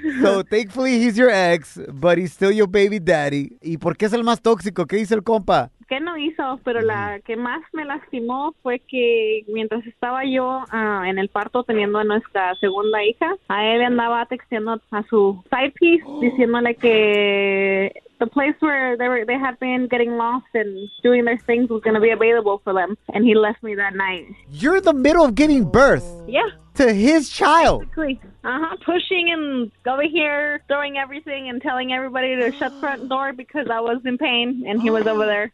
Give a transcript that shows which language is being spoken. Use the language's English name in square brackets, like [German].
[English] So, thankfully, he's your ex, but he's still your baby daddy. [Spanish] ¿Y por qué es el más tóxico? ¿Qué dice el compa? ¿Qué no hizo? Pero la que más me lastimó fue que mientras estaba yo en el parto teniendo a nuestra segunda hija, a él andaba texteando a su [English] side piece [Spanish] diciéndole que [English] the place where they had been getting lost and doing their things was going to be available for them. And he left me that night. You're in the middle of giving birth. Yeah. To his child. Basically. Uh-huh. Pushing and going here, throwing everything and telling everybody to shut the front door because I was in pain and he was over there.